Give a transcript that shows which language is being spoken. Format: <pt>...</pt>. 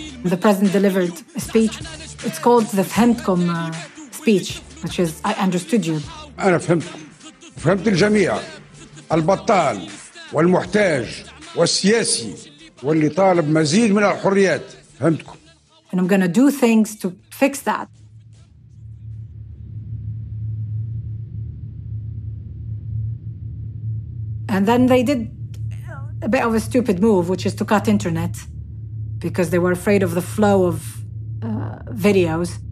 <en>The president delivered a speech. It's called the فهمتكم speech, which is I understood you.</en> <ar>أنا فهمتكم. فهمت الجميع. البطال والمحتاج والسياسي واللي طالب مزيد من الحريات. فهمتكم.</ar> <en>And I'm gonna do things to fix that. And then they did a bit of a stupid move, which is to cut internet because they were afraid of the flow of videos.</en>